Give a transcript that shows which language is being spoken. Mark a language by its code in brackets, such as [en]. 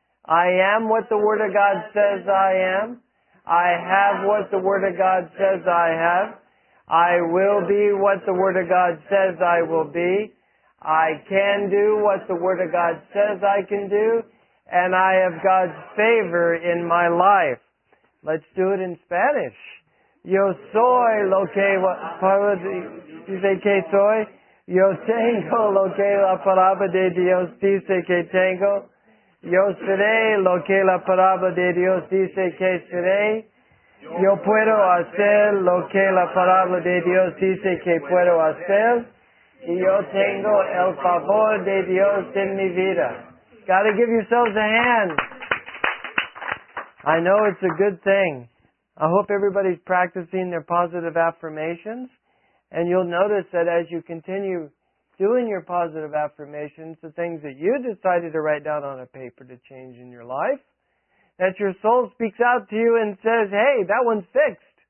[en] I am what the Word of God says I am. I have what the Word of God says I have. I will be what the Word of God says I will be. I can do what the Word of God says I can do. And I have God's favor in my life. Let's do it in Spanish. [es] Yo soy lo que palabra de Dios dice que soy. Yo tengo lo que la palabra de Dios dice que tengo. Yo seré lo que la palabra de Dios dice que seré. Yo puedo hacer lo que la palabra de Dios dice que puedo hacer. Y yo tengo el favor de Dios en mi vida. [en] Got to give yourselves a hand. I know it's a good thing. I hope everybody's practicing their positive affirmations. And you'll notice that as you continue doing your positive affirmations, the things that you decided to write down on a paper to change in your life, that your soul speaks out to you and says, hey, that one's fixed.